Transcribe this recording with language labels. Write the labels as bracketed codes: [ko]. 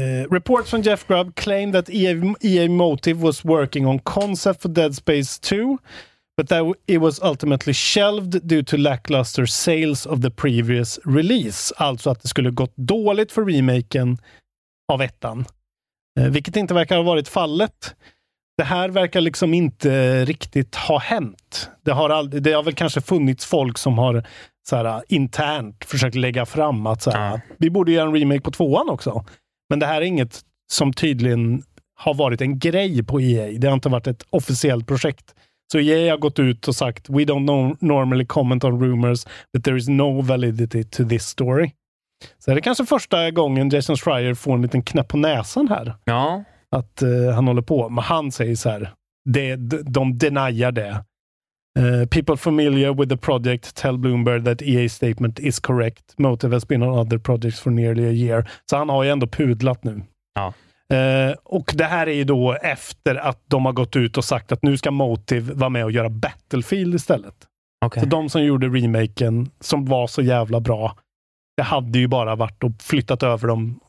[en] Reports from Jeff Grubb claimed that EA Motive was working on concept for Dead Space 2, but that it was ultimately shelved due to lackluster sales of the previous release. [sv] Alltså att det skulle gått dåligt för remaken av ettan. Vilket inte verkar ha varit fallet. det här verkar liksom inte riktigt ha hänt. Det har väl kanske funnits folk som har så här, internt försökt lägga fram att så här, vi borde göra en remake på tvåan också. Men det här är inget som tydligen har varit en grej på EA. Det har inte varit ett officiellt projekt. Så EA har gått ut och sagt, [en] we don't normally comment on rumors, but there is no validity to this story. [sv] Så är det kanske första gången Jason Schreier får en liten knäpp på näsan här. Ja. Att han håller på. Men han säger så här, de deniar det. [en] People familiar with the project tell Bloomberg that EA statement is correct. Motive has been on other projects for nearly a year. [sv] Så han har ju ändå pudlat nu. Ja. Och det här är ju då efter att de har gått ut och sagt att nu ska Motive vara med och göra Battlefield istället. Okay. Så de som gjorde remaken som var så jävla bra, det hade ju bara varit och flyttat över dem.